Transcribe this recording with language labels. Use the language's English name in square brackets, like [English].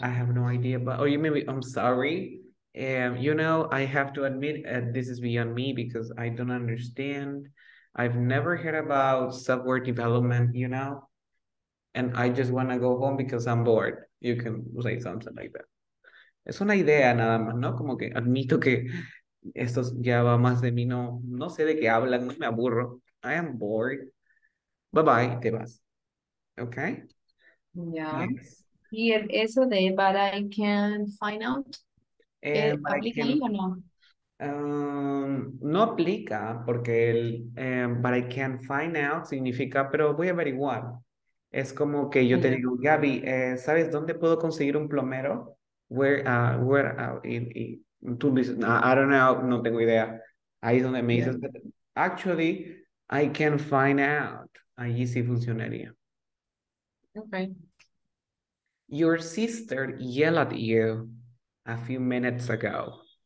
[English] I have no idea, but, oh, you maybe, I'm sorry. You know, I have to admit, this is beyond me because I don't understand. I've never heard about software development, you know? And I just want to go home because I'm bored. You can say something like that. [Spanish] Es una idea nada más, ¿no? Como que admito que esto ya va más de mí. No, no sé de qué hablan, no me aburro. [English] I am bored. Bye-bye, [Spanish] te vas. [English] Okay? Yeah. Yes. [Spanish] Y el eso de, [English] but I can find out. [Spanish] ¿Aplica ahí o no? No aplica porque el [English] but I can find out [Spanish] significa, pero voy a averiguar. Es como que yo te digo, Gaby, ¿sabes dónde puedo conseguir un plomero? Tú dices, [English] I don't know, [Spanish] no tengo idea. Ahí es donde me dices, [English] actually, I can find out. [Spanish] Allí sí funcionaría. [English] Okay. Your sister yelled at you a few minutes ago.